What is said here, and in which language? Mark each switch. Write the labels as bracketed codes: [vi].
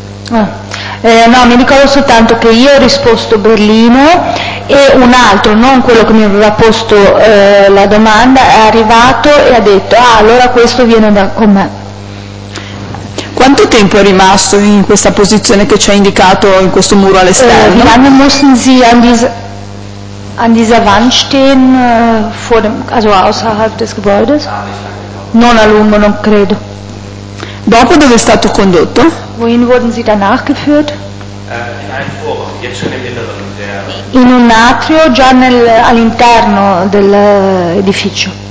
[it] No, mi ricordo soltanto che io ho risposto Berlino e un altro, non quello che mi aveva posto la domanda, è arrivato e ha detto, ah, allora questo viene da con me. Quanto tempo è rimasto in questa posizione che ci ha indicato in questo muro all'esterno? [de] An dieser Wand stehen, vor dem, also außerhalb des Gebäudes? [it] Non a lungo, non credo. Dopo dove è stato condotto? [de] Wohin wurden Sie danach geführt? In ein Vorraum, jetzt schon im Inneren. [it] In un atrio, già all'interno dell'edificio.